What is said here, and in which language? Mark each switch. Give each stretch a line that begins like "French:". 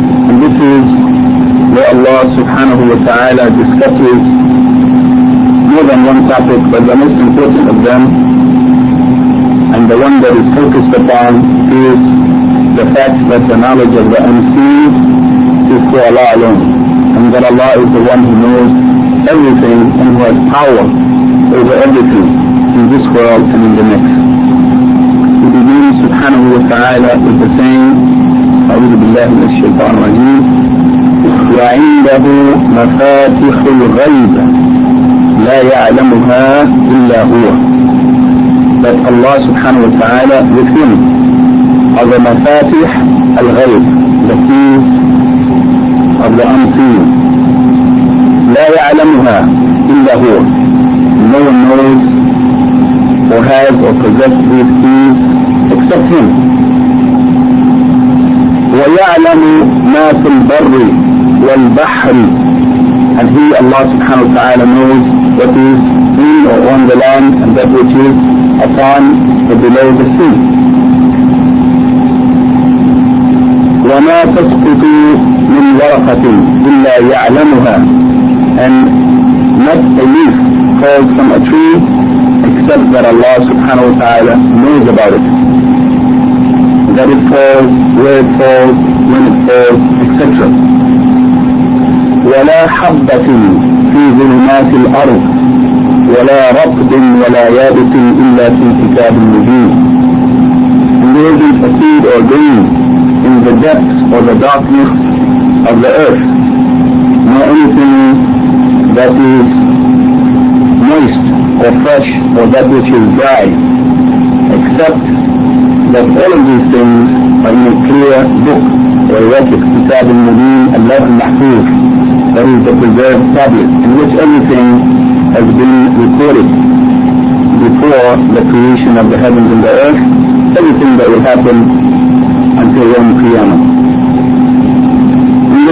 English: And this is where Allah subhanahu wa ta'ala discusses more than one topic, but the most important of them, and the one that is focused upon, is the fact that the knowledge of the unseen is for Allah alone, and that Allah is the one who knows everything and who has power over everything in this world and in the next. We begin subhanahu wa ta'ala with the saying,
Arabic: أعوذ بالله من الشيطان الرجيم وعنده مفاتيح الغيب لا يعلمها إلا هو.
English: That Allah subhanahu wa ta'ala with Him are the
Arabic: مفاتيح الغيب,
English: the keys of the unseen.
Arabic: لا يعلمها إلا هو.
English: No one knows or has or possesses these keys except Him.
Arabic: ويعلم ما في البر والبحر.
English: And He, Allah subhanahu wa ta'ala, knows what is in or on the land and that which is upon or below the sea.
Arabic: وما تسقط من ورقة إلا يعلمها.
English: And not a leaf falls from a tree except that Allah subhanahu wa ta'ala knows about it. That it falls, where it falls, when it falls, etc.
Arabic: ولا حبة في ظلمات الأرض ولا رطب ولا يابس إلا في كتاب مبين.
English: And there isn't a seed or grain in the depths or the darkness of the earth, nor anything that is moist or fresh or that which is dry, except that all of these things are in a clear book or record, Kitab al-Mubin, Allah al-Mahfuz, that is the preserved tablet in which everything has been recorded before the creation of the heavens and the earth, everything that will happen until Yawm Qiyamah.